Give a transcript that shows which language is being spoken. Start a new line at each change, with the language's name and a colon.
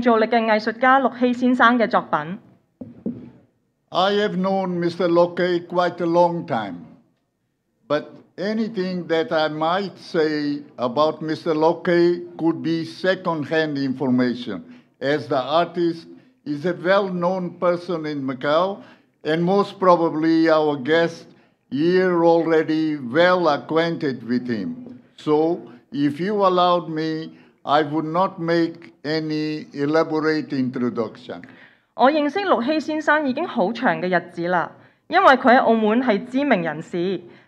Cantonese: 我好高兴今晚可以喺呢一次嘅展览入边致开幕词。今次嘅展览系一个非常个性嘅主题，展示咗我哋澳门才华洋溢、富有创造力嘅艺术家陆希先生嘅作品。
English: I have known Mr. Lok Hei quite a long time, but anything that I might say about Mr. Lok Hei could be second-hand information, as the artist is a well-known person in Macau, and most probably our guest here already well acquainted with him. So, if you allowed me, I would not make any elaborate introduction.
Cantonese: 我認識陸希先生已經好長嘅日子啦，因為佢喺澳門係知名人士。